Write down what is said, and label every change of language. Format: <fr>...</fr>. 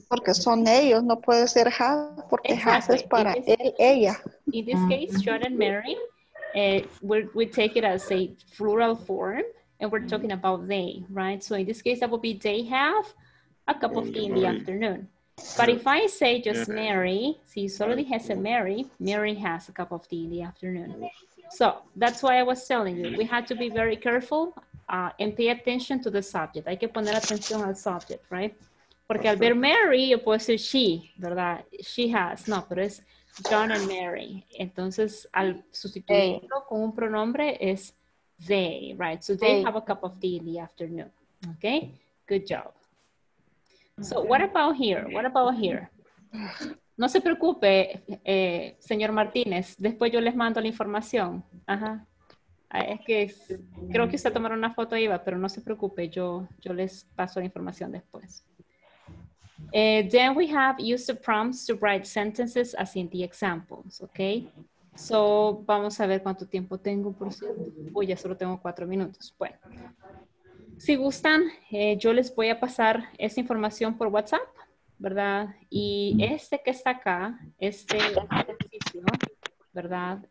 <es>Porque son ellos, no puede ser have, porque exactly. Have es para él, ella.</es> <en>In this case, John and Mary, we take it as a plural form, and we're talking about they, right? So in this case, that would be they have a cup of tea in the afternoon. But if I say just Mary,</en> <es>si solo dijese Mary,</es> <en>Mary has a cup of tea in the afternoon. So that's why I was telling you, we had to be very careful and pay attention to the subject.</en> <es>Hay que poner atención al subject, right? Porque al ver Mary, yo puedo decir she, ¿verdad?</es> <en>She has,</en> <es>no, pero es John and Mary. Entonces, al sustituirlo con un pronombre es they, right?</es> <en>So they have a cup of tea in the afternoon. Okay, good job. So what about here? What about here?</en> <es>No se preocupe, señor Martínez. Después yo les mando la información. Ajá. Es que es, creo que usted tomará una foto, Iva, pero no se preocupe. Yo les paso la información después.</es> <en>Then we have used the prompts to write sentences as in the examples, okay?</en> <es>So vamos a ver cuánto tiempo tengo, por cierto. Uy, ya solo tengo 4 minutos. Bueno. Si gustan, yo les voy a pasar esta información por WhatsApp, ¿verdad? Y este que está acá, este ejercicio, ¿verdad?</es>